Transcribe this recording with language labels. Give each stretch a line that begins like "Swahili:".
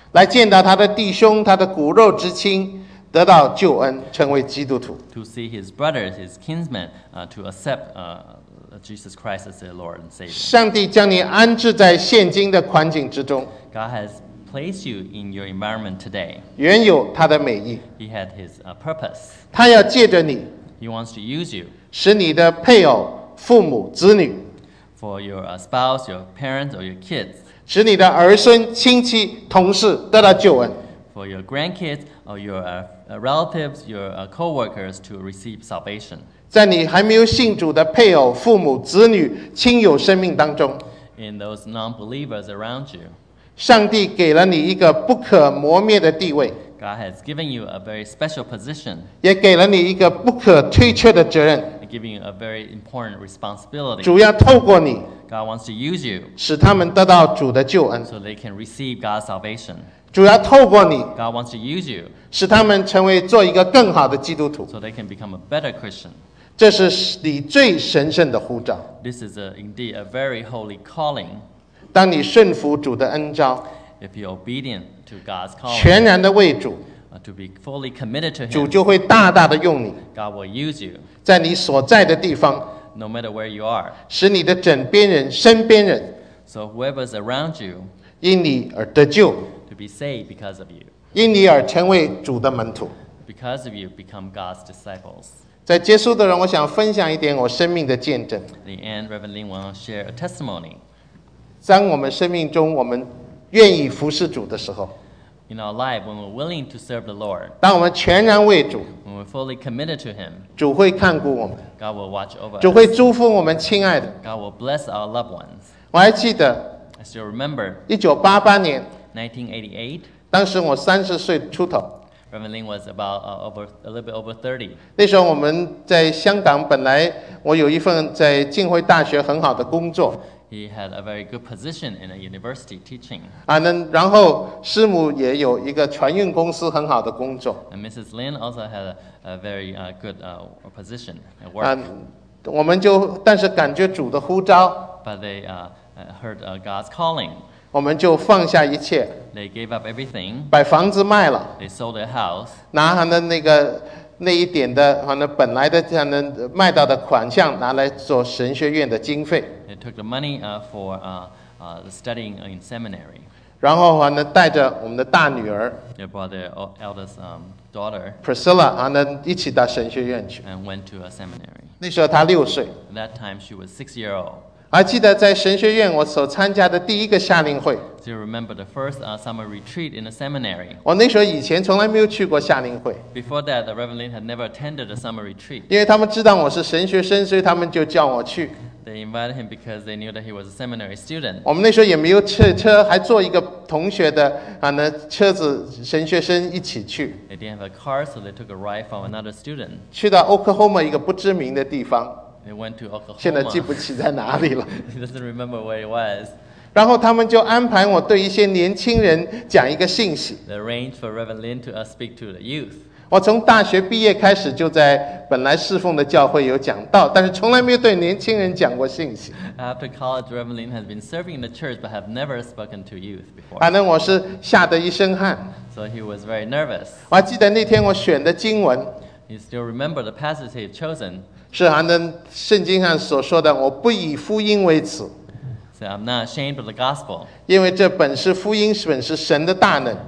Chinese: 来见到他的弟兄，他的骨肉之亲，得到救恩，成为基督徒。
English: To see his brothers, his kinsmen, to accept Jesus Christ as their Lord and Savior.
Chinese: 上帝将你安置在现今的环境之中。
English: God has place you in your environment today.
Chinese: 原有他的美意。
English: He had his purpose.
Chinese: 他要借着你。
English: He wants to use you.
Chinese: 使你的配偶、父母、子女。
English: For your spouse, your parents, or your kids.
Chinese: 使你的儿孙、亲戚、同事得到救恩。
English: For your grandkids, or your relatives, your co-workers to receive salvation.
Chinese: 在你还没有信主的配偶、父母、子女、亲友生命当中。
English: In those non-believers around you.
Chinese: 上帝给了你一个不可磨灭的地位。
English: God has given you a very special position.
Chinese: 也给了你一个不可推却的责任。
English: Giving you a very important responsibility.
Chinese: 主要透过你。
English: God wants to use you.
Chinese: 使他们得到主的救恩。
English: So they can receive God's salvation.
Chinese: 主要透过你。
English: God wants to use you.
Chinese: 使他们成为做一个更好的基督徒。
English: So they can become a better Christian.
Chinese: 这是你最神圣的呼召。
English: This is indeed a very holy calling.
Chinese: 当你顺服主的恩召
English: If you're obedient to God's call,
Chinese: 全然的为主
English: to be fully committed to him,
Chinese: 主就会大大的用你
English: God will use you,
Chinese: 在你所在的地方
English: no matter where you are,
Chinese: 使你的枕边人身边人
English: so whoever's around you,
Chinese: 因你而得救
English: to be saved because of you,
Chinese: 因你而成为主的门徒
English: because of you become God's disciples.
Chinese: 在结束的人我想分享一点我生命的见证
English: The end, Reverend Lin will share a testimony.
Chinese: 当我们生命中我们愿意服侍主的时候
English: In our life, when we're willing to serve the Lord,
Chinese: 当我们全然为主
English: when we're fully committed to him,
Chinese: 主会看顾我们
English: God will watch over
Chinese: 主会祝福我们亲爱的
English: God will bless our loved ones
Chinese: 我还记得
English: I still remember
Chinese: 1988年
English: 1988,
Chinese: 当时我30岁出头
English: Reverend Lin was about over, a little bit over 30
Chinese: 那时候我们在香港本来我有一份在浸会大学很好的工作
English: He had a very good position in a university teaching.
Chinese: 然后师母也有一个船运公司很好的工作。
English: And Mrs. Lin also had a very good position at work.
Chinese: 我们就但是感觉主的呼召。
English: But they heard God's calling.
Chinese: 我们就放下一切。
English: They gave up everything.
Chinese: 把房子卖了。
English: They sold their house.
Chinese: 拿他的那个那一点的，反正本来的这样能卖到的款项，拿来做神学院的经费。
English: They took the money for studying in seminary.
Chinese: 然后反正带着我们的大女儿
English: ，They brought their eldest daughter
Chinese: Priscilla， 反正一起到神学院去。
English: And went to a seminary.
Chinese: 那时候她六岁。
English: That time she was 6 years old.
Chinese: 还记得在神学院我所参加的第一个夏令会。
English: Do you remember the first summer retreat in a seminary?
Chinese: 我那时候以前从来没有去过夏令会。
English: Before that, the Reverend Lin had never attended a summer retreat.
Chinese: 因为他们知道我是神学生，所以他们就叫我去。
English: They invited him because they knew that he was a seminary student.
Chinese: 我们那时候也没有车，还坐一个同学的车子，神学生一起去。
English: They didn't have a car, so they took a ride from another student.
Chinese: 去到 Oklahoma 一个不知名的地方。
English: They went to Oklahoma.
Chinese: 现在记不起在哪里了。
English: He doesn't remember where it was.
Chinese: 然后他们就安排我对一些年轻人讲一个信息。
English: They arranged for Reverend Lin to speak to the youth.
Chinese: 我从大学毕业开始就在本来侍奉的教会有讲道，但是从来没有对年轻人讲过信息。
English: After college, Reverend Lin has been serving in the church, but have never spoken to youth before.
Chinese: 反正我是吓得一身汗。
English: So he was very nervous.
Chinese: 我还记得那天我选的经文。
English: He still remembered the passage he had chosen.
Chinese: 是反正圣经上所说的，我不以福音为耻。
English: I'm not ashamed of the gospel.
Chinese: 因为这本是福音，本是神的大能。